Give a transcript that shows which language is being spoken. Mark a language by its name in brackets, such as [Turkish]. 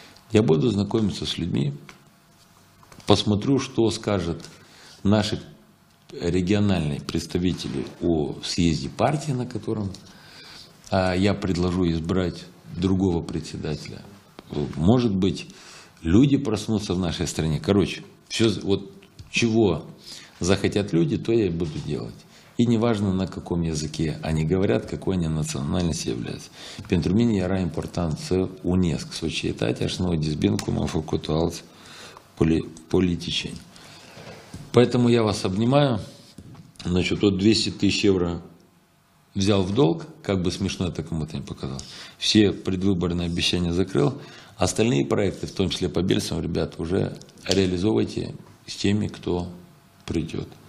[Russian] Я буду знакомиться с людьми. Посмотрю, что скажут наши региональные представители о съезде партии, на котором я предложу избрать другого председателя. Может быть, люди проснутся в нашей стране. Короче, все, вот чего захотят люди, то я и буду делать. И неважно, на каком языке они говорят, какой они национальности являются. [Romanian] Pentru mine era important să unesc societatea și noi dezbin cum am făcut alți politicieni. [Russian] Поэтому я вас обнимаю. Значит, вот 200 тысяч евро взял в долг, как бы смешно это кому-то не показалось. Все предвыборные обещания закрыл. Остальные проекты, в том числе по Бельцам, ребят, уже реализовывайте с теми, кто придет.